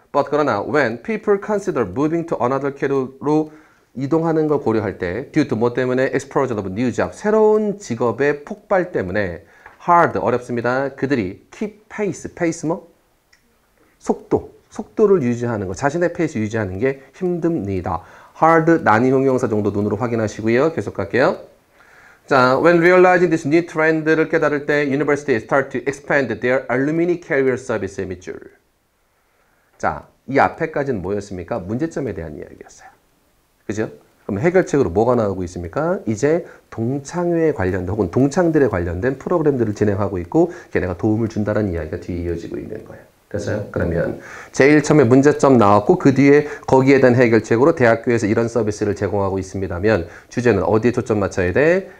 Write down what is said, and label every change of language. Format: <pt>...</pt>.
<en>but</en> <ko>그러나</ko> <en>when people consider moving to another career로</en> <ko>이동하는 걸 고려할 때</ko> <en>due to</en> <ko>뭐 때문에</ko> <en>exposure of new job,</en> <ko>새로운 직업의 폭발 때문에</ko> <en>hard,</en> <ko>어렵습니다. 그들이</ko> <en>keep pace, pace</en> <ko>뭐? 속도, 속도를 유지하는 거, 자신의 pace 유지하는 게 힘듭니다. hard, 난이 형용사 정도 눈으로 확인하시고요. 계속 갈게요.</ko> <en>자, when realizing this new trend를</en> <ko>깨달을 때</ko> <en>university start to expand their alumni career service</en> <ko>밑줄. 자, 이 앞에까지는 뭐였습니까? 문제점에 대한 이야기였어요. 그죠? 그럼 해결책으로 뭐가 나오고 있습니까? 이제 동창회에 관련된 혹은 동창들에 관련된 프로그램들을 진행하고 있고 걔네가 도움을 준다는 이야기가 뒤에 이어지고 있는 거예요. 됐어요? 그러면 제일 처음에 문제점 나왔고 그 뒤에 거기에 대한 해결책으로 대학교에서 이런 서비스를 제공하고 있습니다면 주제는 어디에 초점 맞춰야 돼?</ko>